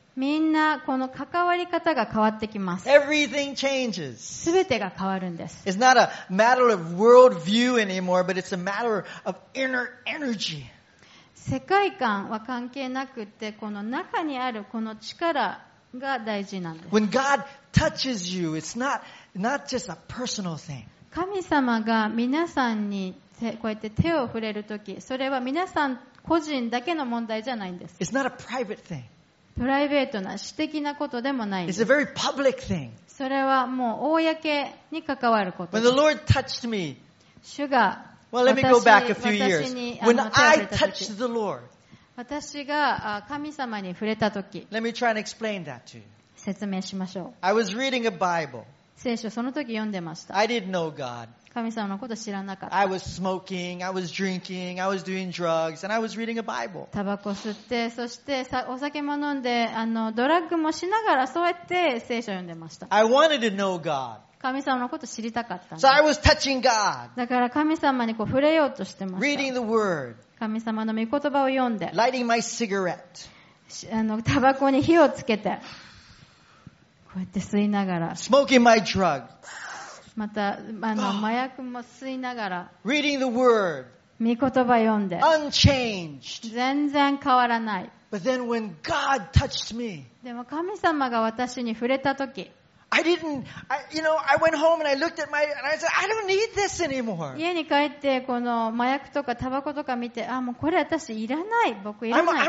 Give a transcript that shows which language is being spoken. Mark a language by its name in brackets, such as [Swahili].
[Japanese] みんなこの関わり方が変わってきます。 [English] Everything changes. [Japanese] すべてが変わるんです。 [English] It's not a matter of world view anymore, but it's a matter of inner energy. [Japanese] 世界観は関係なくて、この中にあるこの力が大事なんです。 [English] When God touches you, it's not just a personal thing. [Japanese] 神様が皆さんにこうやって手を触れるとき、それは皆さん個人だけの問題じゃないんです。 [English] It's not a private thing. [Japanese] プライベートな私的なことでもないんです。 [English] It's a very public thing. [Japanese] それはもう公に関わること。 [English] When the Lord touched me, [Japanese] 主が [English] Well, let me go back a few years. When I touched the Lord, [Japanese] 私が神様に触れた時、 [English] Let me try and explain that to you. [Japanese] 説明しましょう。 [English] I was reading a Bible. [Japanese] 聖書その時読んでました。 [English] I didn't know God. [Japanese] 神様のこと知らなかった。 [English] I was smoking, I was drinking, I was doing drugs, and I was reading a Bible. [Japanese] タバコ吸って、そしてお酒も飲んで、ドラッグもしながらそうやって聖書を読んでました。 [English] I wanted to know God. [Japanese] 神様のこと知りたかった。 [English] So I was touching God. [Japanese] だから神様にこう触れようとしてました。 [English] Reading the Word. [Japanese] 神様の御言葉を読んで。 [English] Lighting my cigarette. [Japanese] タバコに火をつけて、こうやって吸いながら。 [English] Smoking my drugs. [Japanese] また麻薬も吸いながら、 [English] reading the word, [Japanese] 御言葉読んで、 [English] unchanged, [Japanese] 全然変わらない。 [English] But then when God touched me, [Japanese] でも神様が私に触れた時、 [English] I didn't, I, you know, I went home and I looked at my, and I said, I don't need this anymore. [Japanese] 家に帰ってこの麻薬とかタバコとか見て、あ、もうこれ私いらない、僕いらない。